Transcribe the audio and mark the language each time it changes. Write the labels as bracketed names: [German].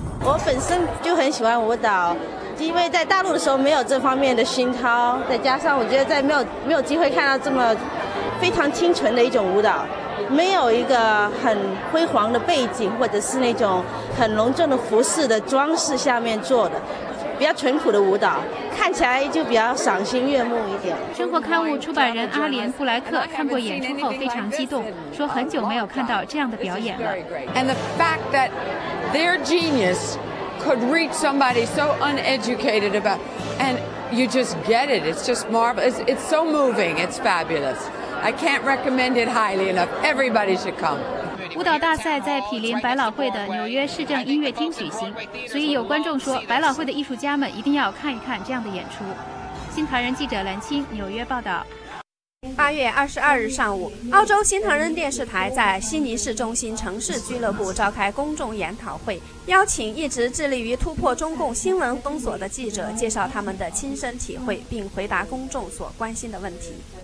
[Chinese] 我本身就很喜欢舞蹈，因为在大陆的时候没有这方面的熏陶，再加上我觉得在没有机会看到这么非常清纯的一种舞蹈，没有一个很辉煌的背景或者是那种很隆重的服饰的装饰下面做的比较淳朴的舞蹈，看起来就比较赏心悦目一点。生活刊物出版人阿莲·布莱克看过演出后非常激动，说很久没有看到这样的表演了。 [English] And the fact that their genius could reach somebody so uneducated about and you just get it, it's just marvelous, it's so moving, it's fabulous. I can't recommend it highly enough. Everybody should come. [Chinese] 舞蹈大赛在毗邻百老汇的纽约市政音乐厅举行，所以有观众说，百老汇的艺术家们一定要看一看这样的演出。新唐人记者蓝青，纽约报道。八月二十二日上午，澳洲新唐人电视台在悉尼市中心城市俱乐部召开公众研讨会，邀请一直致力于突破中共新闻封锁的记者介绍他们的亲身体会，并回答公众所关心的问题。